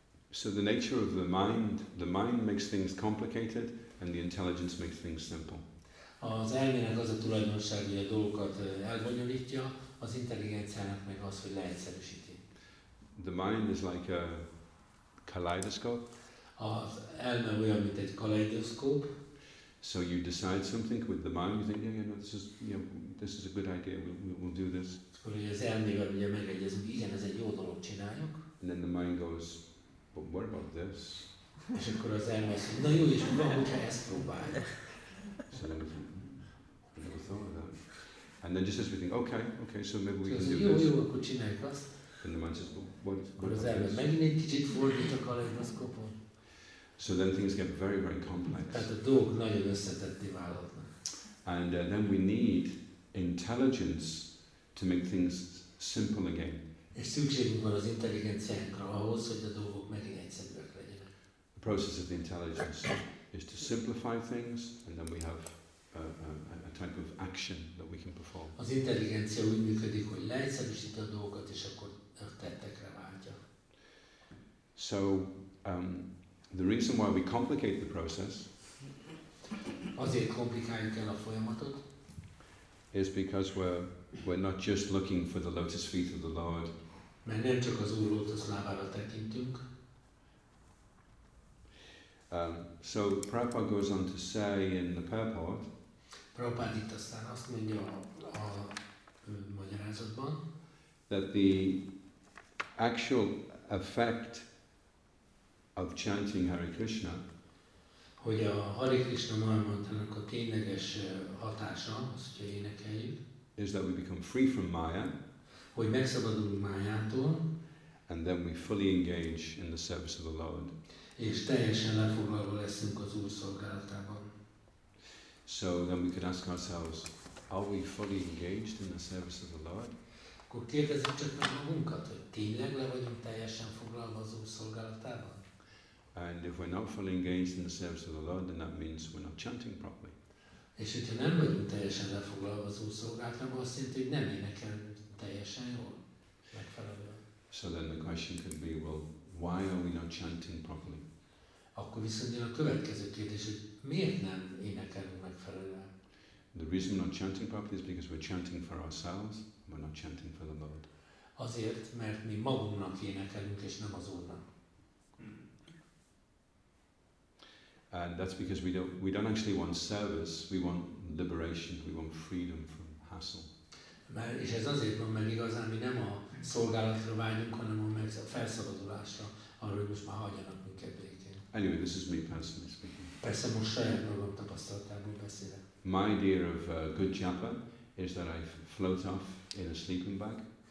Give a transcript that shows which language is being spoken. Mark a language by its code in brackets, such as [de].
[en] So the nature of the mind makes things complicated and the intelligence makes things simple. [hu] Az elmének az a tulajdonság, hogy a dolgokat elbonyolítja, az intelligenciának meg az, hogy leegyszerűsíti. [en] The mind is like a kaleidoscope. [hu] Az elme olyan, mint egy kaleidoszkóp. [en] So you decide something with the mind, you think, yeah, no, this is a good idea, we'll do this. [hu] Akkor az elmével ugye megegyezünk, igen, ez egy jó dolog, csináljuk. [en] And then the mind goes, but what about this? [hu] És akkor az elme azt mondja, na jó, és van, hogyha ezt próbáljuk. [en] So then we never thought of that. And then just as we think, okay, so maybe we so can jó, this. [hu] Jó, akkor csináljuk azt. [en] And the mind says, well, what [hu] akkor az elme megint egy kicsit fordít a kaleidoszkópon. [en] So then things get very, very complex. [hu] Tehát a dolgok nagyon összetetté válhatnak. [en] And then we need intelligence to make things simple again. [hu] És szükségünk van az intelligenciánkra ahhoz, hogy a dolgok megint egyszerűek legyenek. [en] The process of the intelligence is to simplify things, and then we have a type of action that we can perform. [hu] Az intelligencia úgy működik, hogy leegyszerűsíti a dolgokat, és akkor a tettekre váltja. [en] So the reason why we complicate the process [hu] azért komplikáljuk el a folyamatot [en] is because we're not just looking for the lotus feet of the Lord. [hu] Mert nem csak az Úr lótusz lábára tekintünk. [en] So Prabhupada goes on to say in the purport. [hu] Prabhupada itt aztán azt mondja a magyarázatban, [en] that the actual effect of chanting Hare Krishna, [hu] hogy a Hare Krishna mantrának a tényleges hatása, az, hogyha énekeljük, [en] is that we become free from Maya, [hu] hogy megszabadulunk Mayától, [en] and then we fully engage in the service of the Lord. [hu] És teljesen lefoglalva leszünk az Úr szolgálatában. [en] So then we could ask ourselves, are we fully engaged in the service of the Lord? [hu] Akkor kérdezzük csak meg magunkat, hogy tényleg le vagyunk teljesen foglalva az Úr szolgálatában? [en] And if we're not fully engaged in the service of the Lord, then that means we're not chanting properly. [hu] És hogyha nem vagyunk teljesen lefoglalva az Úr szolgálatában, azt jelenti, hogy nem énekel teljesen jól, megfelelően. [en] So then the question could be, well, why are we not chanting properly? [hu] Akkor viszont jön a következő kérdés, hogy miért nem énekelünk megfelelően? [en] The reason we're not chanting properly is because we're chanting for ourselves, we're not chanting for the Lord. [hu] Azért, mert mi magunknak énekelünk, és nem az Úrnak. [en] And that's because we don't actually want service, we want liberation, we want freedom from hassle. [hu] Mert, és ez azért van, mert igazán mi nem a szolgálatra vágyunk, hanem a felszabadulásra, arra, hogy most már hagyjanak minket békén. [en] Anyway, this is me personally speaking. [hu] Persze most saját magam tapasztalatából beszélek. [en] My idea of a good japa is that I float off in a sleeping bag.